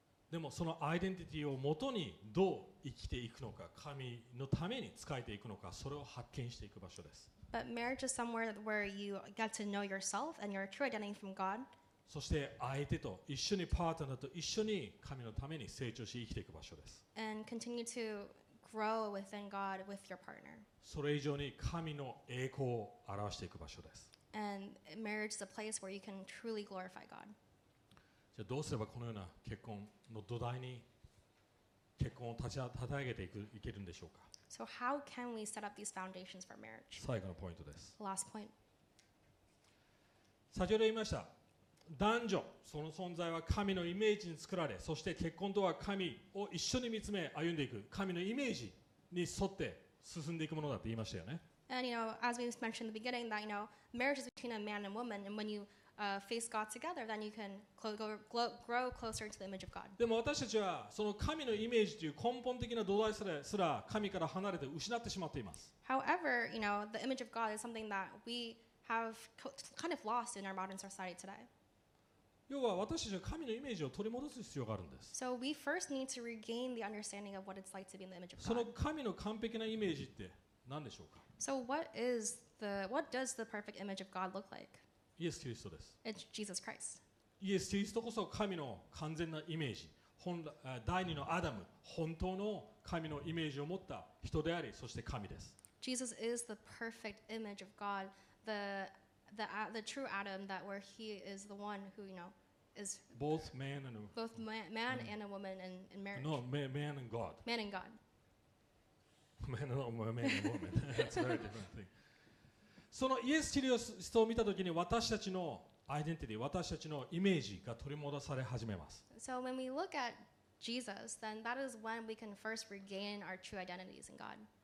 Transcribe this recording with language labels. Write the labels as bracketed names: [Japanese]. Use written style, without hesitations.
[Japanese] でもそのアイデンティティをもとにどう生きていくのか、神のために使えていくのか、それを発見していく場所です。 [English] But marriage is somewhere where you get to know yourself and your true identity from God. [Japanese] そして相手と一緒にパートナーと一緒に神のために成長し生きていく場所です。 [English] And continue to grow within God with your partner. [Japanese] それ以上に神の栄光を表していく場所です。 [English] And marriage is a place where you can truly glorify God. [Japanese] じゃあどうすればこのような結婚の土台に結婚を立ち上げていく、いけるんでしょうか。 [English] So how can we set up these foundations for marriage? [Japanese] 最後のポイントです。 [English] Last point. [Japanese] 先ほど言いました。男女、その存在は神のイメージに作られ、そして結婚とは神を一緒に見つめ歩んでいく神のイメージに沿って進んでいくものだって言いましたよね。 [English] And you know, as we mentioned in the beginning, that you know, marriage is between a man and woman, and when you face God together, then you can grow closer to the image of God. [Japanese] でも私たちはその神のイメージという根本的な土台すら神から離れて失ってしまっています。 [English] However, you know, the image of God is something that we have kind of lost in our modern society today. [Japanese] 要は私たちは神のイメージを取り戻す必要があるんです。 [English] So we first need to regain the understanding of what it's like to be in the image of God. [Japanese] その神の完璧なイメージって何でしょうか? [English] So what does the perfect image of God look like? [Japanese] イエス・キリストです。 [English] It's Jesus Christ. [Japanese] イエス・キリストこそ神の完全なイメージ。第二のアダム、本当の神のイメージを持った人であり、そして神です。 [English] Jesus is the perfect image of God, the true Adam, that where he is the one who, you know, is both man and a woman in marriage. No, man and God. Man and God. Man and woman. That's a very different thing. [Japanese] そのイエス・キリストを見たときに私たちのアイデンティティ、私たちのイメージが取り戻され始めます。 [English] So when we look at Jesus, then that is when we can first regain our true identities in God.